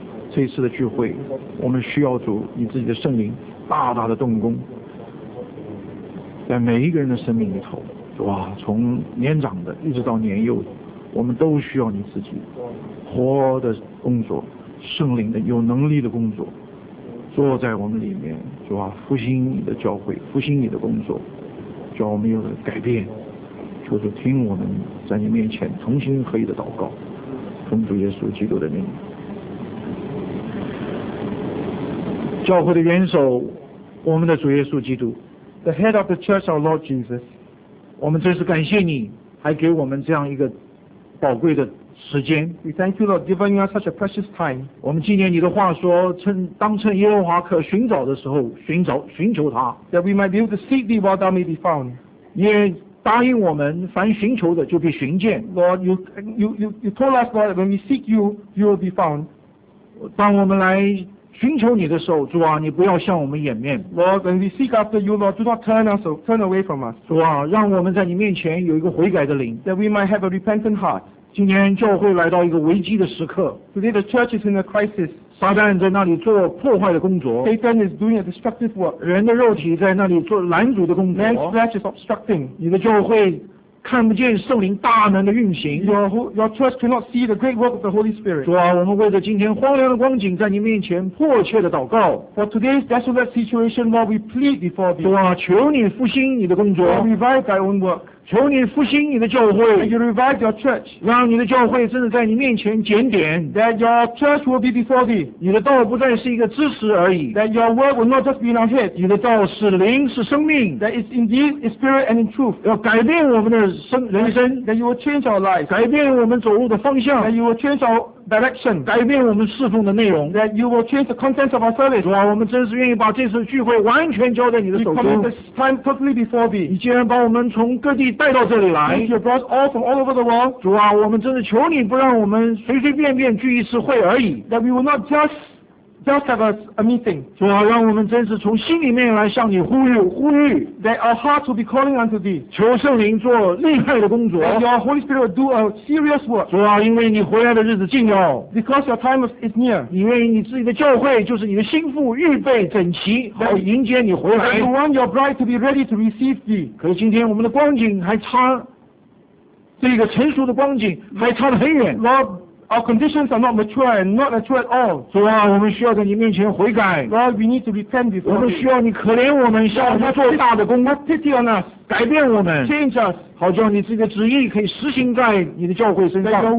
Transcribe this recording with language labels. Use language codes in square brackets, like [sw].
[zh] 这一次的聚会，我们需要主你自己的圣灵大大的动工，在每一个人的生命里头，主啊，从年长的一直到年幼的，我们都需要你自己活的工作，圣灵的有能力的工作，坐在我们里面，主啊，复兴你的教会，复兴你的工作，叫我们有了改变。求主听我们在你面前重新合一的祷告，奉主耶稣基督的名。教会的元首，我们的主耶稣基督。 [en] The head of the church, our Lord Jesus. [zh] 我们真是感谢你，还给我们这样一个宝贵的时间。 [en] We thank you, Lord, giving us such a precious time. [zh] 我们纪念你的话说，趁当趁耶和华可寻找的时候，寻找寻求他。 [en] That we might be able to seek thee while thou may be found. [zh] 也答应我们，凡寻求的就必寻见。 [en] Lord, you told us, Lord, when we seek you, you will be found. [zh] 当我们来寻求你的时候，主啊，你不要向我们掩面。 [en] Lord, when we seek after you, Lord, do not turn away from us. [zh] 主啊，让我们在你面前有一个悔改的灵。 [en] That we might have a repentant heart. [zh] 今天教会来到一个危机的时刻。 [en] Today the church is in a crisis. [zh] 撒旦在那里做破坏的工作。 [en] Satan is doing a destructive work. [zh] 人的肉体在那里做拦阻的工作。 [en] Man's flesh is obstructing. [zh] 你的教会看不见圣灵大能的运行。 [en] Your church cannot see the great work of the Holy Spirit. [zh] 主啊，我们为着今天荒凉的光景，在你面前迫切的祷告。 [en] For today's desolate situation, Lord, we plead before thee. [zh] 主啊，求你复兴你的工作。 [en] Lord, revive thy own work. [zh] 求你复兴你的教会。 [en] And you revive your church. [zh] 让你的教会真的在你面前检点。 [en] That your church will be before thee. [zh] 你的道不再是一个知识而已。 [en] That your word will not just be in our head. [zh] 你的道是灵，是生命。 [en] That it's indeed in spirit and in truth. [zh] 要改变我们的人生。 [en] That you will change our lives. [zh] 改变我们走路的方向。 [en] That you will change our direction. [zh] 改变我们侍奉的内容。 [en] That you will change the contents of our service. [zh] 主啊，我们真是愿意把这次聚会完全交在你的手中。 [en] We commit this time totally before thee. [zh] 你既然把我们从各地带到这里来。 [en] And you brought all from all over the world. [zh] 主啊，我们真的求你不让我们随随便便聚一次会而已。 [en] That we will not just have a meeting. [zh] 主啊，让我们真是从心里面来向你呼吁呼吁。 [en] That our hearts will be calling unto thee. [zh] 求圣灵做厉害的工作。 [en] And your Holy Spirit will do a serious work. [zh] 主啊，因为你回来的日子近了。 [en] Because your time is near. [zh] 你愿意你自己的教会就是你的心腹预备整齐好迎接你回来。 [en] And you want your bride to be ready to receive thee. [zh] 可是今天我们的光景还差，这个成熟的光景还差得很远。 [en] Our conditions are not mature and not mature at all. [zh] 主啊，我们需要在你面前悔改。 [en] Lord, we need to repent before. [zh] 我们需要你可怜我们，向我们做大的工。 [en] Have pity on us. [zh] 改变我们。 [en] Change us. [zh] 好叫你自己的旨意可以实行在你的教会身上。